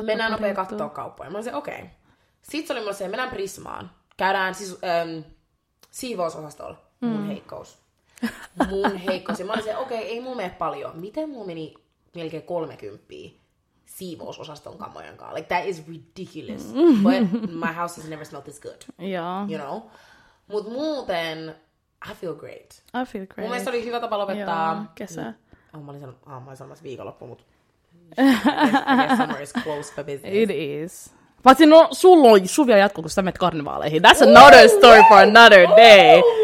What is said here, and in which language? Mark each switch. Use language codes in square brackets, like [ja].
[fi] nopea kattoo kauppoja. Mä olin se, okei. Okay. Sitten se oli mulle se, mennään Prismaan. Käydään siis, siivousosastolla. Mun heikkous. Mä olin se, okei, okay, ei mulla mene paljon. Miten mulla meni melkein 30 siivousosaston kamojen kanssa? [en] Like, that is ridiculous. But my house has never smelled this good. Yeah. You know? [fi] Mut muuten, [en] I feel great. [fi] Mun mielestä oli hyvä tapa lopettaa. Joo, kesä. Mä olin sanomassa viikonloppu, mut. [en] I guess summer is close for business. It is. [fi] Paitsi no, sulla on suvia jatkuu, kun sä menet karnevaaleihin. [en] That's another story for another day.